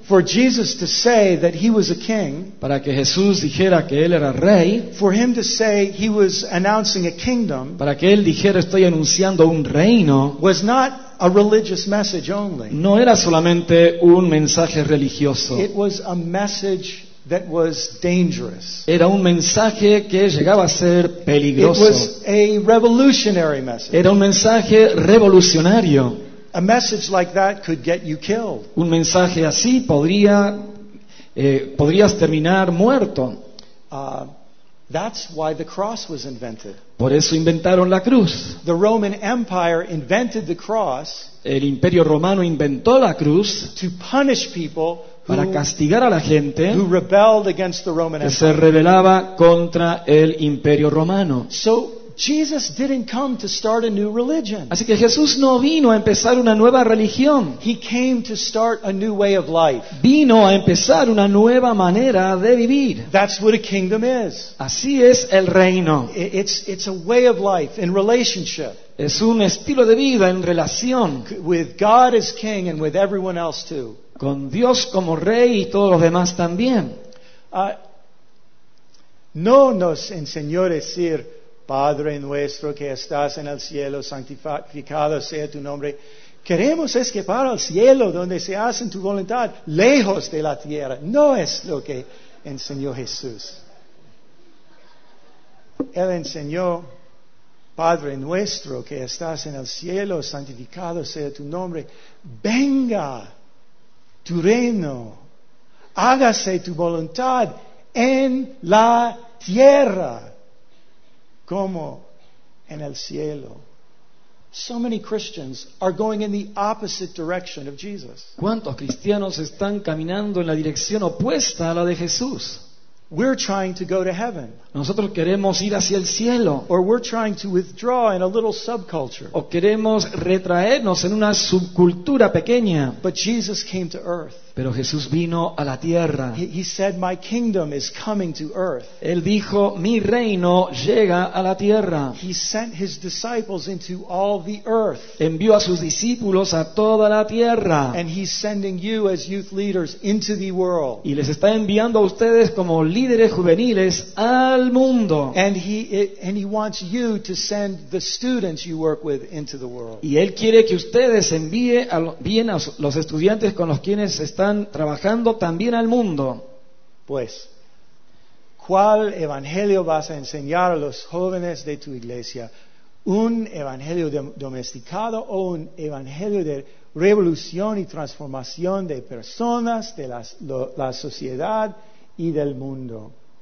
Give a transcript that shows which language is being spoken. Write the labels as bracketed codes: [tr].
[en] For Jesus to say that he was a king, [es] para que Jesús dijera que él era rey, [en] for him to say he was announcing a kingdom, [es] para que él dijera estoy anunciando un reino, [en] was not a religious message only. [es] No era solamente un mensaje religioso. [en] It was a message that was dangerous. [es] Era un mensaje que llegaba a ser peligroso. [en] It was a revolutionary message. [es] Era un mensaje revolucionario. [en] A message like that could get you killed. [es] Un mensaje así podrías terminar muerto. [en] That's why the cross was invented. [es] Por eso inventaron la cruz. [en] The Roman Empire invented the cross. [es] El Imperio Romano inventó la cruz [en] to punish people [es] para castigar a la gente [en] who rebelled against the Roman Empire. [es] Que se rebelaba contra el Imperio Romano. [en] So Jesus didn't come to start a new religion. [es] Así que Jesús no vino a empezar una nueva religión. [en] He came to start a new way of life. [es] Vino a empezar una nueva manera de vivir. [en] That's what a kingdom is. [es] Así es el reino. [en] It's a way of life in relationship. [es] Es un estilo de vida en relación. [en] With God as king and with everyone else too. [es] Con Dios como rey y todos los demás también. No nos enseñó a decir Padre nuestro que estás en el cielo, santificado sea tu nombre. Queremos escapar al cielo donde se hace tu voluntad, lejos de la tierra. No es lo que enseñó Jesús. Él enseñó, Padre nuestro que estás en el cielo, santificado sea tu nombre. Venga tu reino, hágase tu voluntad en la tierra como en el cielo. [en] So many Christians are going in the opposite direction of Jesus. [es] ¿Cuántos cristianos están caminando en la dirección opuesta a la de Jesús? [en] We're trying to go to heaven. [es] Nosotros queremos ir hacia el cielo. [en] Or we're trying to withdraw in a little subculture. [es] O queremos retraernos en una subcultura pequeña. [en] But Jesus came to earth. [es] Pero Jesús vino a la tierra. [en] He said, "My kingdom is coming to earth." [es] Él dijo, "Mi reino llega a la tierra." [en] He sent his disciples into all the earth. [es] Envió a sus discípulos a toda la tierra. [en] And he's sending you as youth leaders into the world. [es] Y les está enviando a ustedes como líderes juveniles al mundo. [en] And he wants you to send the students you work with into the world. [es] Y él quiere que ustedes envíen a los estudiantes con los quienes están trabajando también al mundo. Pues, ¿cuál evangelio vas a enseñar a los jóvenes de tu iglesia? ¿Un evangelio domesticado o un evangelio de revolución y transformación de personas, de la sociedad y del mundo?